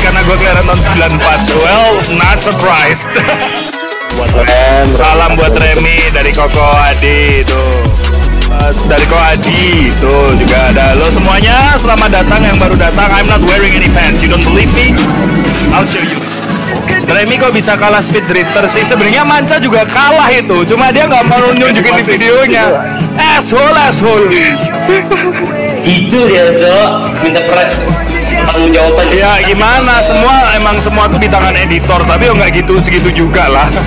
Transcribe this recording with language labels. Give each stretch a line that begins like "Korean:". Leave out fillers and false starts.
Indonesian: Karena gue keliaran tahun 94.
English: Well, not surprised.
Indonesian: Salam buat Remy dari Koko Adi tuh. Dari Ko Adi tuh juga ada. Lo semuanya selamat datang yang baru datang.
English: I'm not wearing any pants. You don't believe me? I'll show you.
Indonesian: Remy kok bisa kalah Speed Drifter sih? Sebenarnya Manca juga kalah itu. Cuma dia nggak mau nunjukin di videonya. Asshole. Itu dia, Cok. Minta perat. Ya gimana, semua tuh di tangan editor, tapi ya nggak gitu segitu juga lah.